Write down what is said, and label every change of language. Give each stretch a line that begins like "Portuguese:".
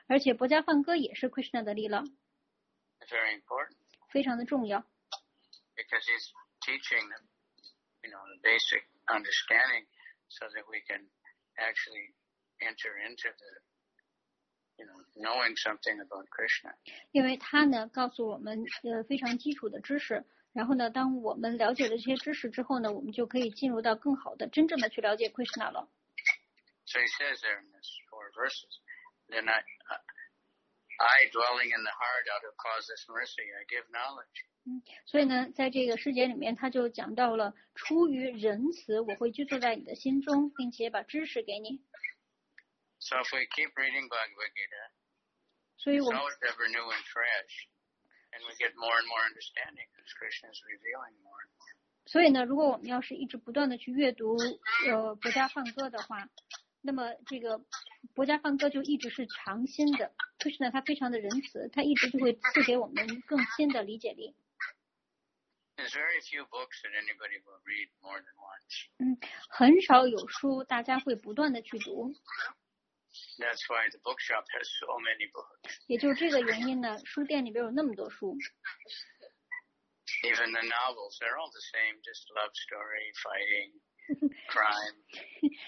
Chinese: 而且薄伽梵歌也是 Krishna 的 Lila.
English: Very important.
Chinese: 非常的重要。
English: Because he's teaching them, you know, the basic understanding so that we can actually enter into the, you know, knowing something about Krishna.
Chinese: 因为他呢告诉我们非常基础的知识，然后呢当我们了解了这些知识之后呢，我们就可以进入到更好的真正的去了解 Krishna 了。
English: So he says there in these four verses, then I dwelling in the heart out of causeless mercy, I give knowledge.
Chinese: 所以呢在这个诗节里面他就讲到了出于仁慈我会居住在你的心中并且把知识给你。
English: So if we keep reading Bhagavad Gita, it's always ever new and fresh, and we get more and more understanding as Krishna is revealing more and more.
Chinese: 所以呢如果我们要是一直不断的去阅读博伽梵歌的话，那么这个博伽梵歌就一直是常新的，可是呢他非常的仁慈，他一直就会赐给我们更新的理解力。
English: There's very few books that anybody will read more than once.
Chinese: 很少有书大家会不断的去读。
English: That's why the bookshop has so many books.
Chinese: 也就这个原因呢，书店里边有那么多书。
English: Even the novels, they're all the same, just love story, fighting, crime.